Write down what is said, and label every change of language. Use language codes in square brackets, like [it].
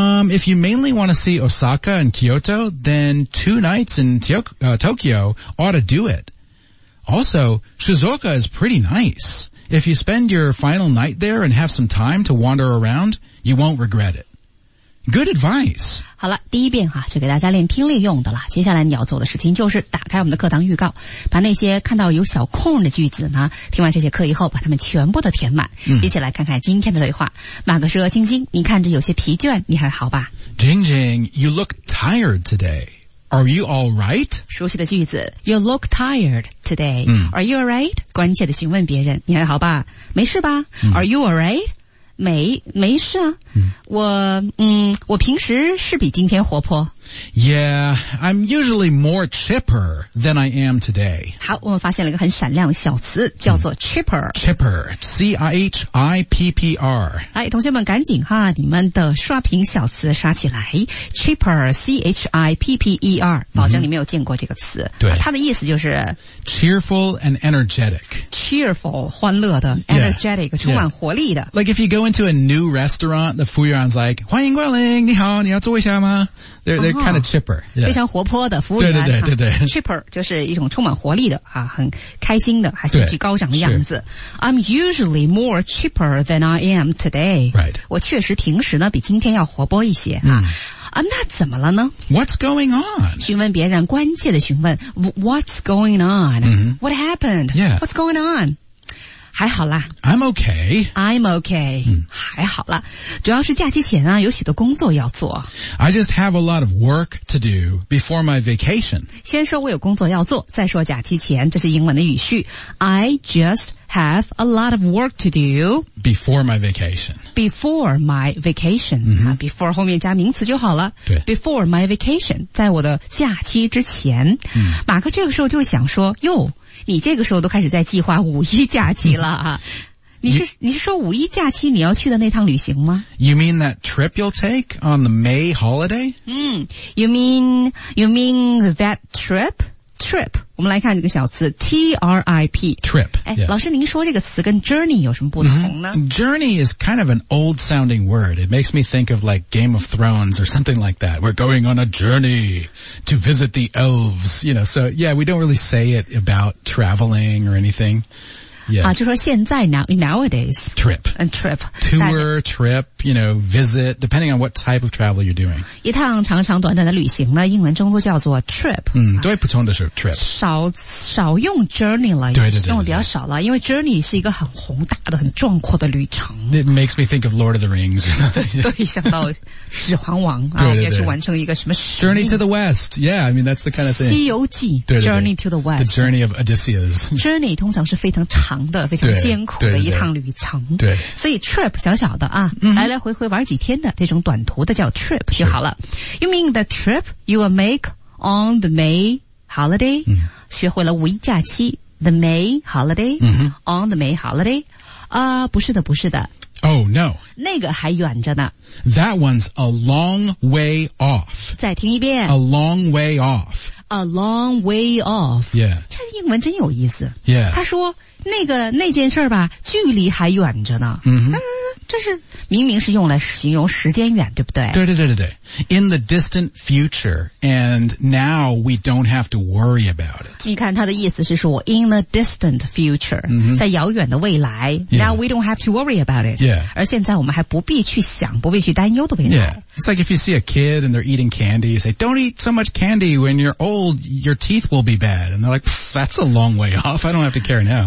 [en] If you mainly want to see Osaka and Kyoto, then 2 nights in Tokyo ought to do it. Also, Shizuoka is pretty nice. If you spend your final night there and have some time to wander around, you won't regret it. Good advice. [zh] 好了，第一遍哈，就给大家练听力用的了。接下来你要做的事情就是打开我们的课堂预告，把那些看到有小空的句子呢，听完这节课以后，把它们全部都填满。一起来看看今天的对话。马克说：“晶晶，你看着有些疲倦，你还好吧？” [en] Jingjing, you look tired today. Are you all right? [zh] 熟悉的句子 [en] ，You look tired today.、Are you all right? [zh] 关切的询问别人，你还好吧？没事吧、 [en] Are you all right? [zh] 没事啊、我平时是比今天活泼。 [en] Yeah, I'm usually more chipper than I am today. [zh] 好，我们发现了一个很闪亮的小词，叫做 chipper。 [en] Chipper, C-I-H-I-P-P-R。 [zh] 来，同学们赶紧哈，你们的刷屏小词刷起来 ，chipper, C-H-I-P-P-E-R， 保证你没有见过这个词。对，它的意思就是 [en] cheerful and energetic。 [zh] Cheerful, 欢乐的 ，energetic, 充满活力的。 [en] Like if you go into a new restaurant, the foyer's like, [zh] 欢迎光临，你好，你要坐一下吗？ [en] They're kind of chipper.、Yeah. [zh] 非常活泼的服务员。对。 Chipper 就是一种充满活力的、啊、很开心的还兴趣高涨的样子。 [en] I'm usually more chipper than I am today. Right. [zh] 我确实平时呢比今天要活泼一些、啊。那怎么了呢 [en] ?What's going on? [zh] 询问别人关切的询问。 [en] What's going on?、What happened?、 Yeah. What's going on? [zh] 还好啦 [en] I'm okay. I'm okay.、 [zh] 还好啦主要是假期前啊有许多工作要做。 [en] I just have a lot of work to do before my vacation. [zh] 先说我有工作要做再说假期前这是英文的语序。 [en] I just have a lot of work to do before my vacation. Before my vacation.、 [zh] before 后面加名词就好了。对 [en] before my vacation, [zh] 在我的假期之前。马克这个时候就想说哟你这个时候都开始在计划五一假期了啊。你是说五一假期你要去的那趟旅行吗 [en] ?You mean that trip you'll take on the May holiday?、 You mean that trip? Trip. [zh] 我们来看这个小词 ,T-R-I-P. [en] Trip.、 [zh] yeah. 老师您说这个词跟 journey 有什么不同呢、 [en] Journey is kind of an old sounding word. It makes me think of like Game of Thrones or something like that. We're going on a journey to visit the elves, you know, so yeah, we don't really say it about traveling or anything. Yeah. [zh] 啊就说现在 nowadays. [en] Trip. And trip. Tour, trip, you know, visit, depending on what type of travel you're doing. [zh] 一趟长长短短的旅行呢英文中都叫做 trip. 对普通的是 trip. 少用 journey 了对用比较少了因为 journey 是一个很宏大的很壮阔的旅程。 [en] It makes me think of Lord of the Rings or something. [zh] 对想到指环王啊要去完成一个什么使命。 [en] Journey to the West. Yeah, I mean, that's the kind of thing. 西游记 Journey to the West. The journey of Odysseus. [zh] Journey 通常是非常长长的非常艰苦的一趟旅程。对，所以 trip 小小的啊，来来回回玩几天的这种短途的叫 trip 就好了。 [en] You mean the trip you will make on the May holiday、 [zh] 学会了五一假期 [en] the May holiday、on the May holiday、 [zh] 不是的不是的。 [en] Oh no, [zh] 那个还远着呢。 [en] That one's a long way off. [zh] 再听一遍。 [en] A long way off A long way off. Yeah. [zh] 这英文真有意思。 [en] Yeah. [zh] 他说那个那件事吧距离还远着呢。这是明明是用来形容时间远对不对对对对对对。 [en] In the distant future, and now we don't have to worry about it. [zh] 你看他的意思是说 [en] in the distant future,、 [zh] 在遥远的未来、 [en] now we don't have to worry about it. Yeah. [zh] 而现在我们还不必去想不必去担忧的未来。 [en] Yeah. It's like if you see a kid and they're eating candy, you say, don't eat so much candy when you're old, your teeth will be bad. And they're like, that's a long way off, I don't have to care now.